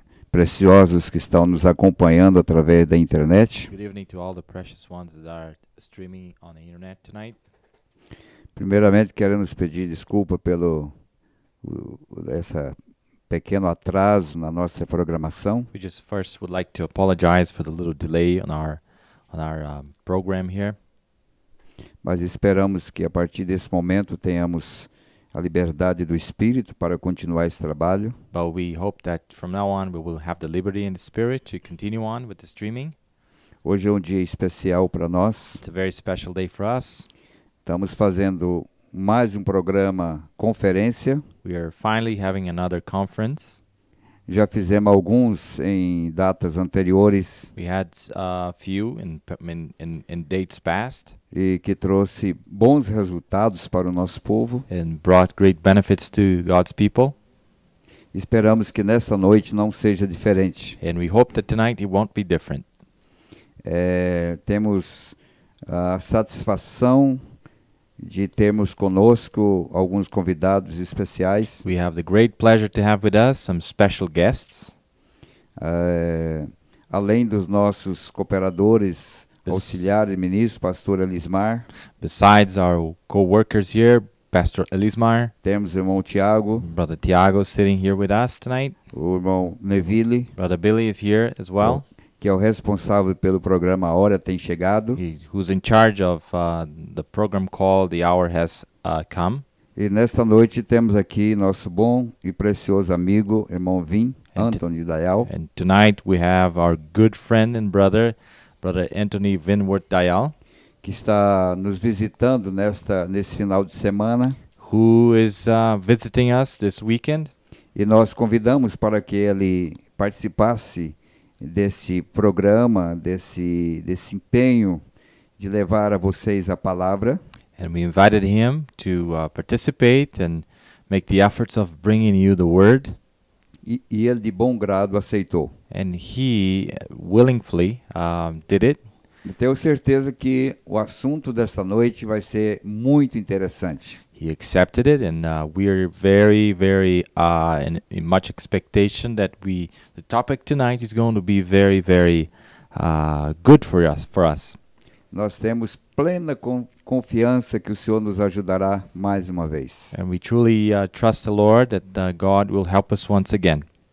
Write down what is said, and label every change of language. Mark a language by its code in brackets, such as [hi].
[pt] preciosos que estão nos acompanhando através da internet. [en] Good evening to all the precious ones that are streaming on the internet tonight. [pt] Primeiramente, queremos pedir desculpa pelo essa pequeno atraso na nossa programação. [en] We just first would like to apologize for the little delay on our program here. [pt] Mas esperamos que a partir desse momento tenhamos a liberdade do Espírito para continuar esse trabalho. [en] But we hope that from now on we will have the liberty in the Spirit to continue on with the streaming. [pt] Hoje é um dia especial para nós. [en] It's a very special day for us. [pt] Estamos fazendo mais um programa conferência. [en] We are finally having another conference. [pt] Já fizemos alguns em datas anteriores. [en] We had a few in dates past. [pt] E que trouxe bons resultados para o nosso povo. [en] And brought great benefits to God's people. [pt] Esperamos que nesta noite não seja diferente. [en] And we hope that tonight it won't be different. [pt] Temos a satisfação de termos conosco alguns convidados especiais. [en] We have the great pleasure to have with us some special guests. [pt] Além dos nossos cooperadores, auxiliares, ministro, pastor Elismar. [en] Besides our co-workers here, Pastor Elismar. [pt] Temos o irmão Tiago. [en] Brother Tiago sitting here with us tonight. [pt] O irmão Neville. [en] Brother Billy is here as well. [pt] Que é o responsável pelo programa A Hora Tem Chegado. [en] Who's in charge of the program called The Hour Has Come. [pt] E nesta noite temos aqui nosso bom e precioso amigo, irmão Vim, Anthony Dayal. [en] And tonight we have our good friend and brother Anthony Vinworth Dayal. [pt] Que está nos visitando nesse final de semana. [en] Who is visiting us this weekend. [pt] E nós convidamos para que ele participasse desse programa, desse empenho de levar a vocês a palavra. [en] And we invited him to participate and make the efforts of bringing you the word. [pt] E ele de bom grado aceitou. [en] And he willingly did it. [pt] Tenho certeza que o assunto desta noite vai ser muito interessante. [en] He accepted it, and we are very, very in much expectation that the topic tonight is going to be very, very good for us. [pt] Nós temos plena confiança que o Senhor nos ajudará mais uma vez. [en] And we truly trust the Lord that God will help us once again.